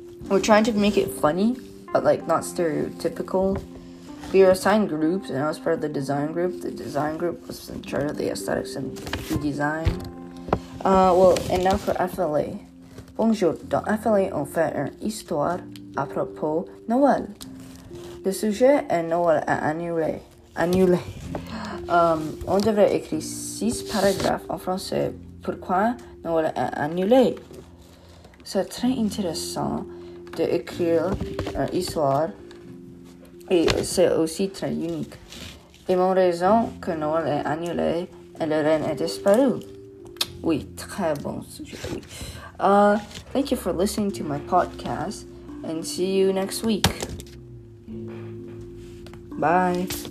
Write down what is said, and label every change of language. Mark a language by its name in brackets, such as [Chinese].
[English] We're trying to make it funny, but like not stereotypical. We were assigned groups, and I was part of the design group. The design group was in charge of the aesthetics and the design. And now for FLA. [French] Bonjour, dans FLA, on fait une histoire à propos Noël. Le sujet est Noël à annuler. On devrait écrire 6 paragraphes en français. Pourquoi Noël est annulé? C'est très intéressant d'écrire une histoire et c'est aussi très unique. Et mon raison que Noël est annulé et le reine est disparu. Oui, très bon sujet. [English] Thank you for listening to my podcast and see you next week. Bye.